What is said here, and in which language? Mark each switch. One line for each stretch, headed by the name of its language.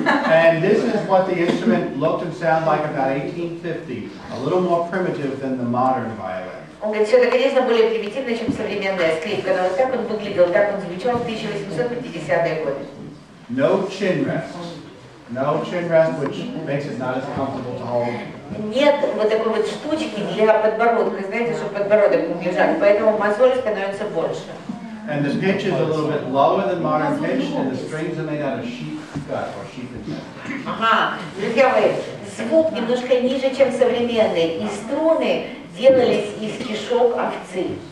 English: And this is what the instrument looked and sounded like about 1850, a little more primitive than the modern violin.
Russian: Он говорит, что это, конечно, более примитивно, чем современная скрипка, но вот так он выглядел, так он звучал в 1850-е годы.
English: No chin rest. No chin rest, which makes it not as comfortable to hold.
Russian: Нет вот такой вот штучки для подбородка, знаете, чтобы подбородок не лежать, поэтому мозоли становятся больше.
English: And the pitch is a little bit lower than modern pitch, and the strings are made out of sheep gut or sheep intestine.
Russian: Ага, друзья мои, звук немножко ниже, чем современный, и струны делались из кишок овцы.